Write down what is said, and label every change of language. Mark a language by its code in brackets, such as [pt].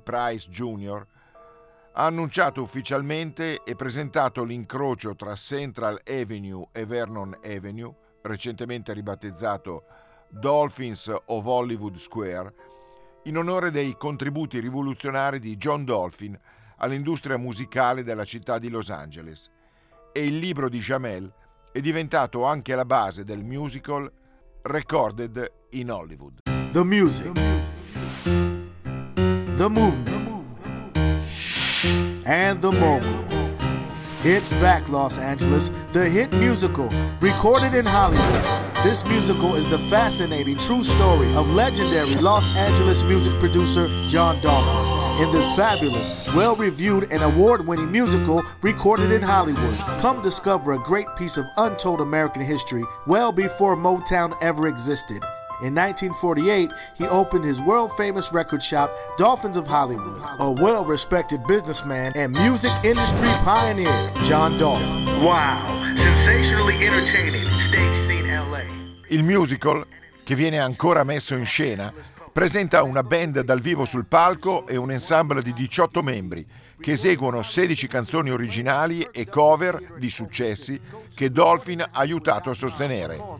[it] Price Jr., ha annunciato ufficialmente e presentato l'incrocio tra Central Avenue e Vernon Avenue, recentemente ribattezzato Dolphins of Hollywood Square, in onore dei contributi rivoluzionari di John Dolphin all'industria musicale della città di Los Angeles. E il libro di Jamel è diventato anche la base del musical Recorded in Hollywood. [en] The music, the movement, and the mogul. It's back, Los Angeles, the hit musical recorded in Hollywood. This musical is the fascinating true story of legendary Los Angeles music producer John Dolphin in this fabulous, well-reviewed, and award-winning musical recorded in Hollywood. Come discover a great piece of untold American history well before Motown ever existed. In 1948, he opened his world-famous record shop, Dolphins of Hollywood. A well-respected businessman and music industry pioneer, John Dolphin. Wow, sensationally entertaining, stage scene LA. [it] Il musical, che viene ancora messo in scena, presenta una band dal vivo sul palco e un ensemble di 18 membri che eseguono 16 canzoni originali e cover di successi che Dolphin ha aiutato a sostenere.